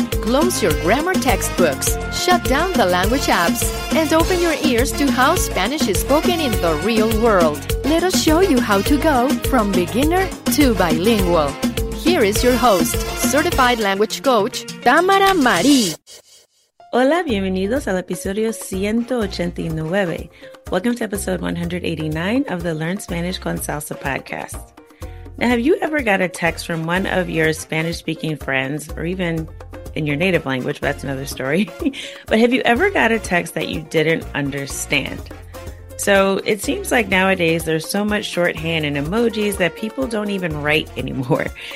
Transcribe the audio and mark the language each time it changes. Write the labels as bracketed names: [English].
[English] Close your grammar textbooks, shut down the language apps, and open your ears to how Spanish is spoken in the real world. Let us show you how to go from beginner to bilingual. Here is your host, certified language coach, Tamara Marie. [Spanish] Hola, bienvenidos al episodio 189. [English] Welcome to episode 189 of the Learn Spanish con Salsa podcast. Now, have you ever got a text from one of your Spanish-speaking friends, or even in your native language, but that's another story. But have you ever got a text that you didn't understand? So it seems like nowadays there's so much shorthand and emojis that people don't even write anymore.